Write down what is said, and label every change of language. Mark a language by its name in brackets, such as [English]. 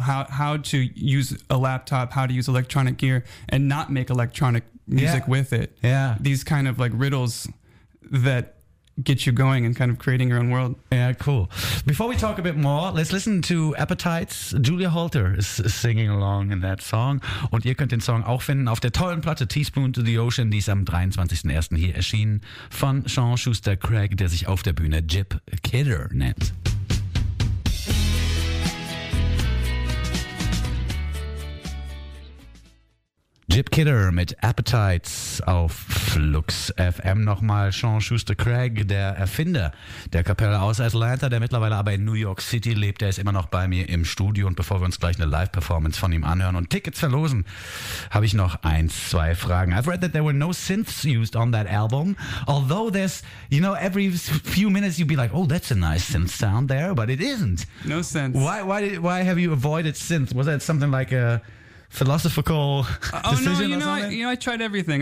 [English] How to use a laptop, how to use electronic gear, and not make electronic music, yeah, with it. Yeah. These kind of like riddles that get you going and kind of creating your own world. Yeah, cool. Before we talk a bit more, let's listen to Appetites. Julia Holter is singing along in that song. [German] Und ihr könnt den Song auch finden auf der tollen Platte Teaspoon to the Ocean, die ist am 23.01. hier erschienen, von Sean Schuster Craig, der sich auf der Bühne Jip Kidder nennt. Jip Kidder mit Appetites auf Flux FM. Nochmal Sean Schuster Craig, der Erfinder der Kapelle aus Atlanta, der mittlerweile aber in New York City lebt. Der ist immer noch bei mir im Studio. Und bevor wir uns gleich eine Live-Performance von ihm anhören und Tickets verlosen, habe ich noch ein, zwei Fragen. [English] I've read that there were no synths used on that album. Although there's, you know, every few minutes you'd be like, oh, that's a nice synth sound there, but it isn't. No synths. Why have you avoided synths? Was that something like a philosophical decision? Oh no, I tried everything.